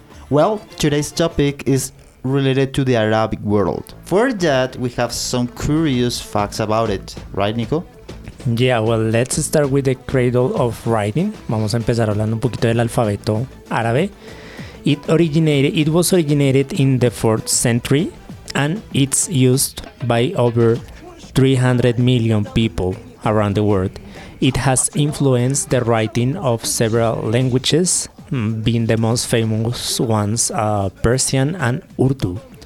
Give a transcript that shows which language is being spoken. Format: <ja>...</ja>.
<en>Well, today's topic is related to the Arabic world. For that, we have some curious facts about it, right, Nico? Yeah, well, let's start with the cradle of writing.</en> <es>Vamos a empezar hablando un poquito del alfabeto árabe.</es> <en>It was originated in the 4th century and it's used by over 300 million people around the world. It has influenced the writing of several languages, being the most famous ones, Persian and Urdu.</en>